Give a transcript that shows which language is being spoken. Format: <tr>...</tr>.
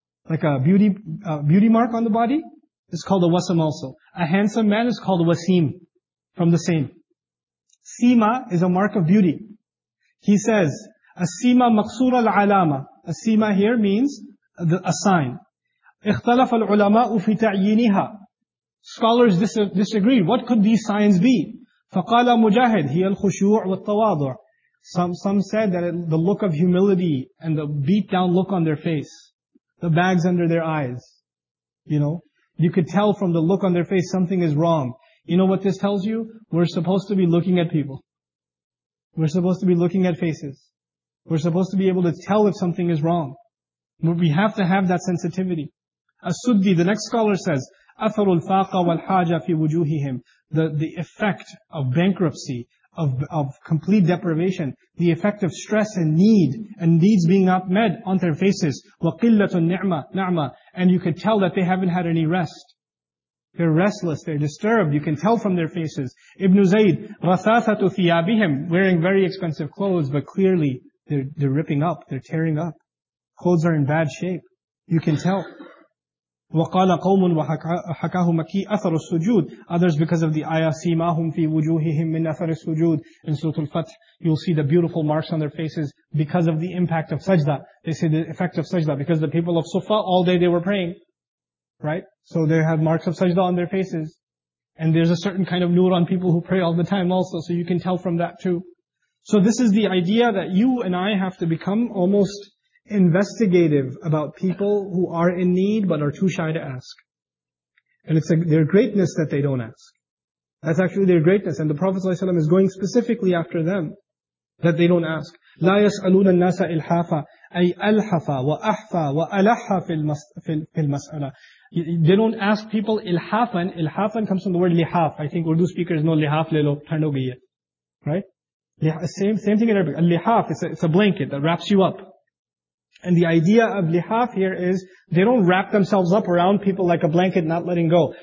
<en>Like a beauty mark on the body is called a wasam also. A handsome man is called a wasim, from the same. Sima is a mark of beauty. He says,</en> <ar>As-sima maqsura al-alama.</ar> <en>As-sima here means a sign.</en> <ar>اختلف العلماء في تعيينها.</ar> <en>Scholars disagree. What could these signs be?</en> <ar>فقال مجاهد هي الخشوع والتواضع.</ar> <en>Some said that the look of humility and the beat down look on their face, the bags under their eyes, you know, you could tell from the look on their face something is wrong. You know what this tells you? We're supposed to be looking at people. We're supposed to be looking at faces. We're supposed to be able to tell if something is wrong. We have to have that sensitivity. As-Suddi, the next scholar says,</en> <ar>أثر الفاقة والحاجة في وجوههم.</ar> <en>The effect of bankruptcy, of complete deprivation, the effect of stress and need, and needs being not met on their faces.</en> <ar>وَقِلَّةُ النِّعْمَ.</ar> <en>And you could tell that they haven't had any rest. They're restless, they're disturbed, you can tell from their faces. Ibn Zayd,</en> <ar>رَثَاثَةُ ثِيَابِهِمْ.</ar> <en>Wearing very expensive clothes, but clearly they're ripping up, they're tearing up. Clothes are in bad shape. You can tell.</en> <ar>وَقَالَ قَوْمٌ وَحَكَاهُ مَكِيٌّ أَثَرُ السُّجُودِ.</ar> <en>Others, because of the ayah,</en> <ar>سِيمَاهُمْ فِي وُجُوهِهِمْ مِنْ أَثَرِ السُّجُودِ.</ar> <en>In Surah Al-Fatih, you'll see the beautiful marks on their faces because of the impact of sajda. They say the effect of sajda, because the people of Suffa, all day they were praying. Right? So they have marks of sajda on their faces. And there's a certain kind of nur on people who pray all the time also, so you can tell from that too. So this is the idea that you and I have to become almost investigative about people who are in need but are too shy to ask. And it's their greatness that they don't ask. That's actually their greatness. And the Prophet ﷺ is going specifically after them, that they don't ask.</en> <ar>لا يسألون الناس إلحافا أي ألحفا وأحفا وألحا في المسألة.</ar> <en>They don't ask people إلحافاً. إلحافاً comes from the word لحاف. I think Urdu speakers know</en> <ur>لحاف لے لو. ٹھنڈ ہو گئی ہے.</ur> <en>Right? Same thing in Arabic. لحاف is it's a blanket that wraps you up. And the idea of لحاف here is they don't wrap themselves up around people like a blanket not letting go.</en>